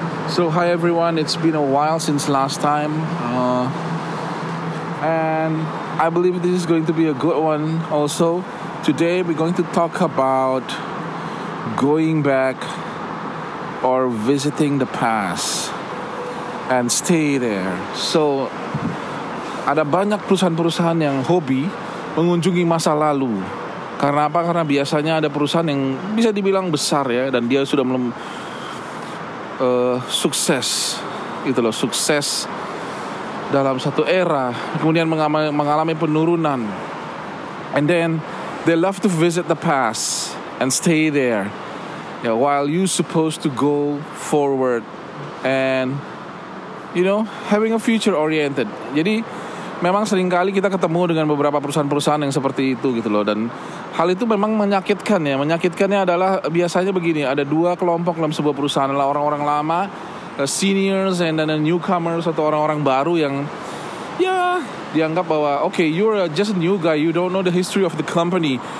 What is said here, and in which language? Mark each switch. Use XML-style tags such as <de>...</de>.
<en>So hi everyone, it's been a while since last time. And I believe this is going to be a good one also. Today we're going to talk about going back or visiting the past and stay there.</en> <id>So ada banyak perusahaan-perusahaan yang hobi mengunjungi masa lalu. Karena apa? Karena biasanya ada perusahaan yang bisa dibilang besar ya, dan dia sudah sukses gitu loh, sukses dalam satu era, kemudian mengalami penurunan.</id> <en>And then they love to visit the past and stay there, yeah, while you supposed to go forward and, you know, having a future oriented.</en> <id>Jadi memang seringkali kita ketemu dengan beberapa perusahaan-perusahaan yang seperti itu gitu loh. Dan hal itu memang menyakitkan ya. Menyakitkannya adalah biasanya begini, ada dua kelompok dalam sebuah perusahaan, adalah orang-orang lama,</id> <en>seniors, and then newcomers,</en> <id>atau orang-orang baru yang ya dianggap bahwa</id> <en>okay, you're just a new guy, you don't know the history of the company.</en>